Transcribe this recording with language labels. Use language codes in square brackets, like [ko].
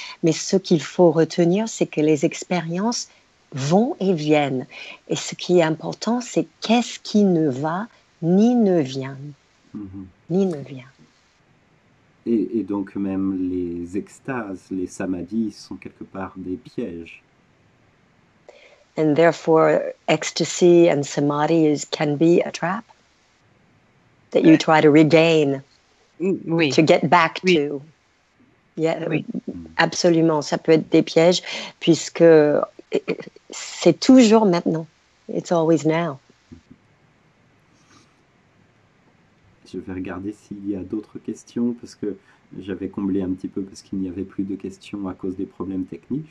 [fr] Mais ce qu'il faut retenir, c'est que les expériences vont et viennent. Et ce qui est important, c'est qu'est-ce qui ne va ni ne vient. Ni ne vient. Et donc même les extases, les samadhis sont quelque part des pièges. [en] And therefore, ecstasy and samadhi can be a trap that you try to regain, [fr] oui. [en] To get back [fr] oui. [en] To. Yeah, [fr] oui. Absolument, ça peut être des pièges, puisque c'est toujours maintenant. [en] It's always now. [fr] Je vais regarder s'il y a d'autres questions, parce que j'avais comblé un petit peu, parce qu'il n'y avait plus de questions à cause des problèmes techniques.